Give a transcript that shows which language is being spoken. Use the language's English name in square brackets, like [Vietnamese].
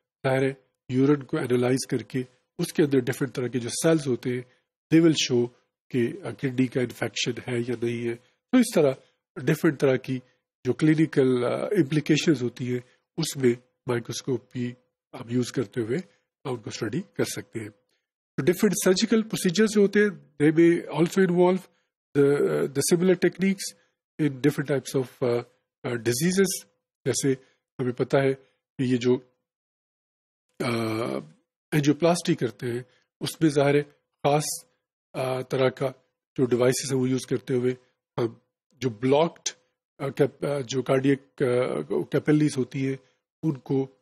[Urdu] ظاہر ہے یورین کو انالائز کر کے اس کے اندر ڈفرینٹ طرح کے جو سیلس ہوتے ہیں [English] they will show [Urdu] کہ کڈنی کا انفیکشن ہے یا نہیں ہے. تو اس طرح ڈفرینٹ طرح کی جو کلینیکل امپلیکیشنز ہوتی ہیں اس میں مائکروسکوپی ہم یوز کرتے ہوئے ان کو اسٹڈی کر سکتے ہیں. تو ڈفرینٹ سرجیکل پروسیجرز ہوتے ہیں, [English] They may also involve the similar techniques in different types of diseases. [Urdu] جیسے ہمیں پتہ ہے کہ یہ جو اینجیوپلاسٹی کرتے ہیں اس میں ظاہر ہے خاص طرح کا جو ڈیوائسیز ہیں وہ یوز کرتے ہوئے ہم جو بلاکڈ جو کارڈیک کیپلریز ہوتی ہیں ان کو